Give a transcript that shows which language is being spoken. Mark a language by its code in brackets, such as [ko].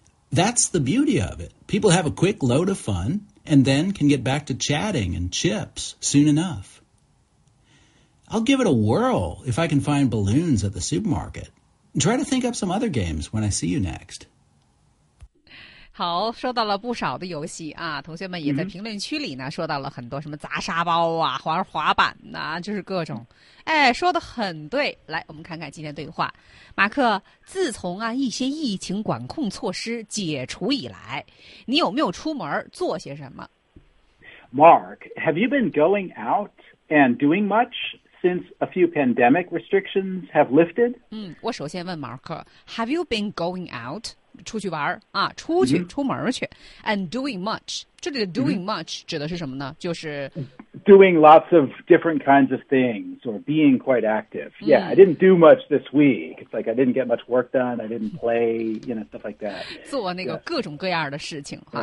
[en] That's the beauty of it. People have a quick load of fun and then can get back to chatting and chips soon enough. I'll give it a whirl if I can find balloons at the supermarket. Try to think up some other games when I see you next. [zh] 好，说到了不少的游戏啊，同学们也在评论区里呢，说到了很多什么砸沙包啊、玩滑板呐、就是各种。哎，说的很对。来，我们看看今天对话。马克，自从啊一些疫情管控措施解除以来，你有没有出门做些什么 [en] ？Mark, have you been going out and doing much? Since a few pandemic restrictions have lifted? [zh] 我首先问 Mark, [en] have you been going out, [zh] 出去玩啊出去、出门去 [en] and doing much? [zh] 这里的 [en] doing much [zh] 指的是什么呢就是 [en] doing lots of different kinds of things or being quite active. Yeah, I didn't do much this week. It's like I didn't get much work done. I didn't play, you know, stuff like that. [zh] 做那个各种各样的事情、啊